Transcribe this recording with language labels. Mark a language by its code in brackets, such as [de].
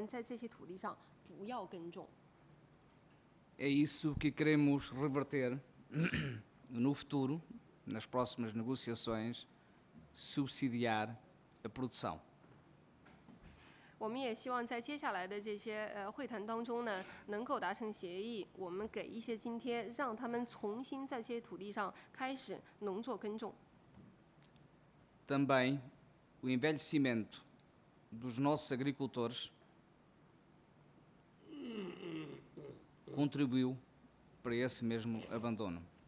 [zh] 这主要就造成这种土地荒芜的情况呢，有一个很重要的原因是，我们这边呢给了一些津贴，让他们在这些土地上不要耕种。 [pt] É isso que queremos reverter no futuro, nas próximas negociações, subsidiar a produção. [zh] 我们也希望在接下来的这些会谈当中呢，能够达成协议，我们给一些津贴，让他们重新在这些土地上开始农作耕种。 [pt] Também o envelhecimento dos nossos agricultores contribuiu para esse mesmo abandono.